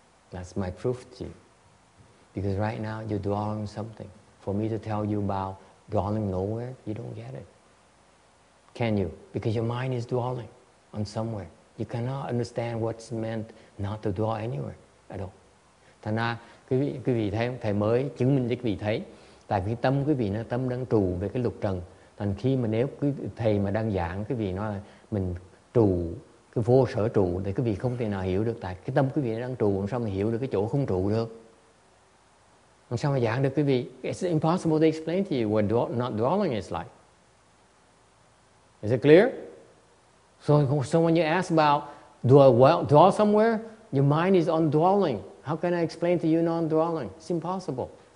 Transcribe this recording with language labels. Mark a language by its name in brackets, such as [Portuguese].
[English] That's my proof to you. Because right now you're dwelling something. For me to tell you about dwelling nowhere, you don't get it. Can you? Because your mind is dwelling on somewhere. You cannot understand what's meant not to dwell anywhere at all. [Vietnamese] Thành ra, quý vị thấy, thầy mới chứng minh cho quý vị thấy, tại vì tâm quý vị nó tâm đang trụ về cái lục trần. Thành khi mà nếu quý thầy mà đang giảng, quý vị nói là mình trụ, cái vô sở trụ, thì quý vị không thể nào hiểu được, tại cái tâm quý vị đang trụ, sao mà hiểu được cái chỗ không trụ được. Làm sao mà giảng được quý vị? [English] It's impossible to explain to you what not dwelling is like. Is it clear? So when you ask about, do I dwell somewhere? Your mind is on dwelling. How can I explain to you non-dwelling? It's impossible.